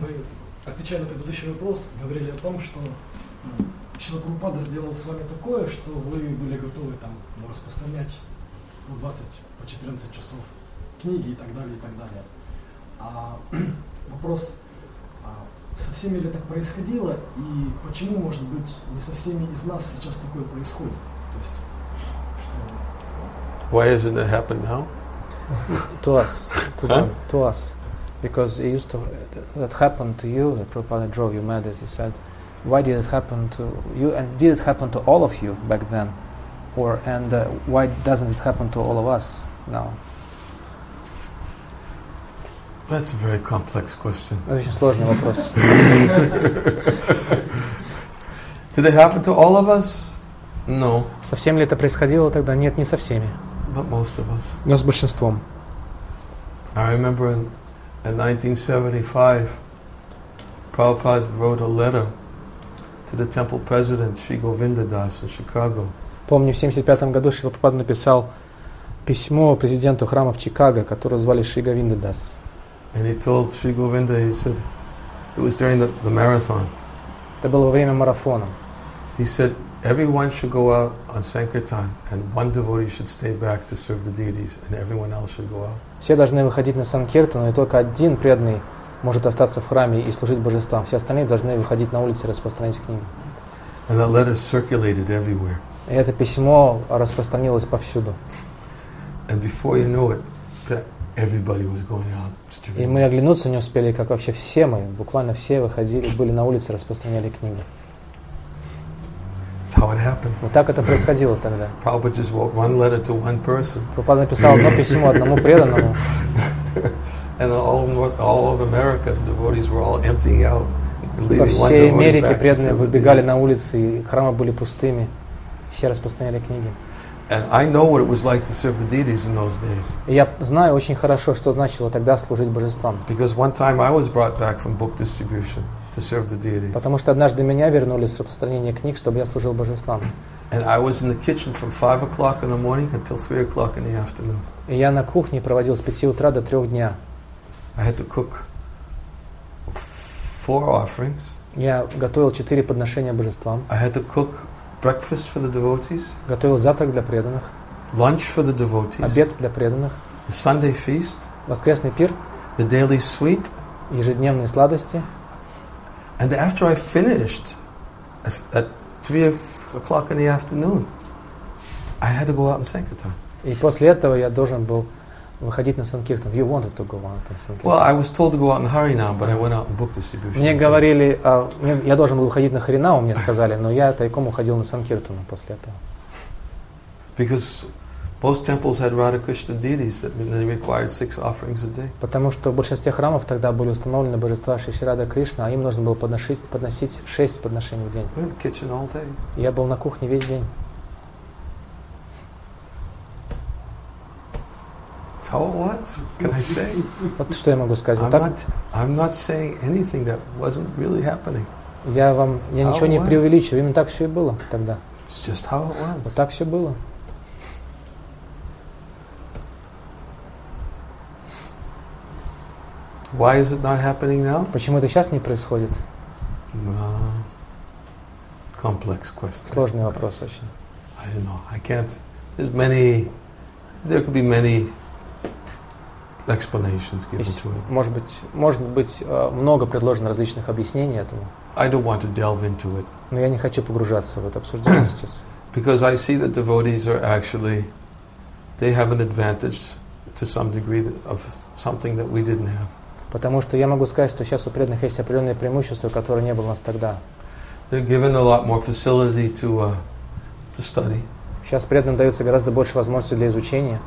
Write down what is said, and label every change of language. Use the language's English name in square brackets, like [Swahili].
[Russian] Вы, отвечая на предыдущий вопрос, говорили о том, что Шрила Прабхупада сделал с вами такое, что вы были готовы там распространять по 20, по 14 часов книги и так далее, и так далее. А вопрос, со всеми ли так происходило, и почему, может быть, не со всеми из нас сейчас такое происходит? [English] Why hasn't it happened now? To us, to them, to us, because it used to. That happened to you. The Prabhupada drove you mad, as he said. Why did it happen to you? And did it happen to all of you back then? Or and why doesn't it happen to all of us now? That's a very complex question. [Russian] Очень сложный вопрос. [English] Did it happen to all of us? No. [Russian] Со всеми ли это происходило тогда? Нет, не со всеми. [English] But most of us. [Russian] Но с большинством. [English] I remember in 1975, Prabhupada wrote a letter to the temple president Shri Govinda Das in Chicago. [Russian] Помню, в 75 году Шрила Прабхупада написал письмо президенту храма в Чикаго, которого звали Шри Говинда Дас. [English] And he told Shri Govinda, he said, it was during the marathon. [Russian] Это было во время марафона. [English] He said, everyone should go out on Sankirtan, and one devotee should stay back to serve the deities, and everyone else should go out. [Russian] Все должны выходить на Санкиртану, и только один преданный может остаться в храме и служить божествам. Все остальные должны выходить на улицы и распространять книги. [English] And that letter circulated everywhere. [Russian] И это письмо распространилось повсюду. [English] And before you knew it, everybody was going out. [Russian] И мы оглянуться не успели, как вообще все мы, буквально все выходили, были на улице, распространяли книги. [English] How it happened. [Russian] Вот так это происходило тогда. [English] Prabhupada just wrote one letter to one person. [Russian] Прабхупада написал одно письмо одному преданному. [English] And all of America, the devotees were all emptying out, leaving one devotee. [Russian] Во всей Америке преданные выбегали на улицы, и храмы были пустыми. Все распространяли книги. [English] And I know what it was like to serve the deities in those days. [Russian] Я знаю очень хорошо, что значило тогда служить божествам. [English] Because one time I was brought back from book distribution to serve the deities. [Russian] Потому что однажды меня вернули с распространения книг, чтобы я служил божествам. [English] And I was in the kitchen from 5 o'clock in the morning until 3 o'clock in the afternoon. [Russian] И я на кухне проводил с 5 утра до 3 дня. [English] I had to cook 4 offerings. [Russian] Я готовил 4 подношения божествам. [English] I had to cook breakfast for the devotees. [Russian] Готовил завтрак для преданных. [English] Lunch for the devotees. [Russian] Обед для преданных. [English] The Sunday feast. [Russian] Воскресный пир. [English] The daily sweet. [Russian] Ежедневные сладости. [English] And after I finished at 3 o'clock in the afternoon, I had to go out in sankirtan. [Russian] И после этого я должен был выходить на санкиртан. [English] You wanted to go out on sankirtan. Well, I was told to go out in Харинам, but I went out in book distribution. [Russian] Мне говорили, я должен был выходить на Харинам, мне сказали, но я тайком уходил на санкиртан после этого. [English] Because most temples had Radha Krishna deities that they required 6 offerings a day. [Russian] Потому что в большинстве храмов тогда были установлены божества Шри Радха Кришна, а им нужно было подносить 6 подношений в день. [English] In the kitchen all day. [Russian] Я был на кухне весь день. [English] So it was, can I say? [Russian] Вот что я могу сказать. [English] I'm not saying anything that wasn't really happening. [Russian] Я ничего не преувеличиваю. Именно так все и было тогда. [English] It's just how it was. [Russian] Вот так все было. [English] Why is it not happening now? [Russian] Почему это сейчас не происходит? [English] Complex question. [Russian] Сложный вопрос очень. [English] I don't know. I can't. There's many. There could be many explanations given to it. [Russian] Может быть, много предложено различных объяснений этому. [English] I don't want to delve into it. [Russian] Но я не хочу погружаться в это обсуждение сейчас. [English] Because I see that devotees are actually, they have an advantage to some degree of something that we didn't have. [Russian] Потому что я могу сказать, что сейчас у преданных есть определенные преимущества, которые не было у нас тогда. [English] They're given a lot more facility to study. [Russian] Сейчас преданным дается гораздо больше возможностей для изучения.